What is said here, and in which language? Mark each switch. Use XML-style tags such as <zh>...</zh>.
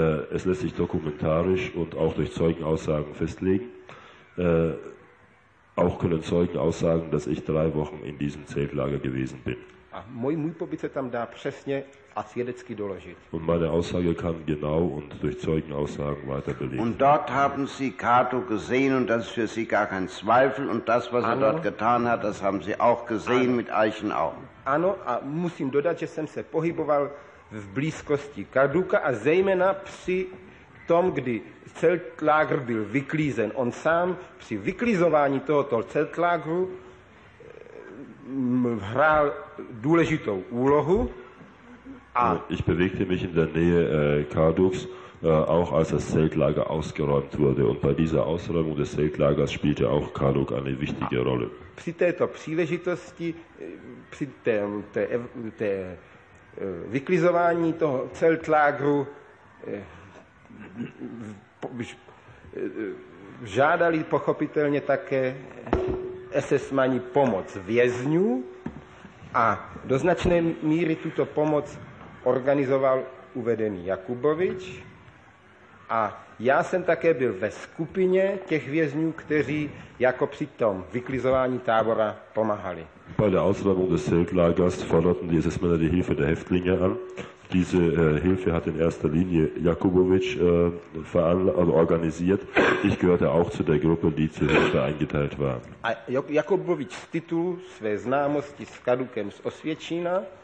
<de>Es lässt sich dokumentarisch und auch durch Zeugenaussagen festlegen. Auch können Zeugen aussagen, dass ich 3 Wochen in diesem Zeltlager gewesen bin.</de> <cs>A můj pobyt se tam dá přesně a svědecky doložit.</cs> <de>Und meine Aussage kann genau und durch Zeugenaussagen weiter belegt. Und dort haben Sie Cato gesehen und das ist für Sie gar kein Zweifel und das, was er dort getan hat, das haben Sie auch gesehen mit eichen Augen.</de> <cs>Ano, a musím dodat, že jsem se pohyboval v blízkosti Kaduka a zejména při tom, kdy celtlágr byl vyklízen. On sám při vyklízování tohoto celtlágru hrál důležitou úlohu.</cs> <de>A ich bewegte mich in der Nähe Kaduks, auch als das Zeltlager ausgeräumt wurde. Und bei dieser Ausräumung des Zeltlagers spielte auch Kaduk eine wichtige Rolle.</de> <cs>Při této příležitosti, při té vyklizování toho celtlágru žádali pochopitelně také SS-mani pomoc vězňů a do značné míry tuto pomoc organizoval uvedený Jakubovič a já jsem také byl ve skupině těch vězňů, kteří jako při tom vyklizování tábora pomáhali.</cs> <de>Bei der Ausräumung des Zeltlagers forderten die SS-Männer die Hilfe der Häftlinge an. Diese Hilfe hat in erster Linie Jakubowitsch organisiert. Ich gehörte auch zu der Gruppe, die zur Hilfe eingeteilt war.</de> <cs>Jakubowitsch z titulu své známosti s Kadukem z Osvětšína</cs>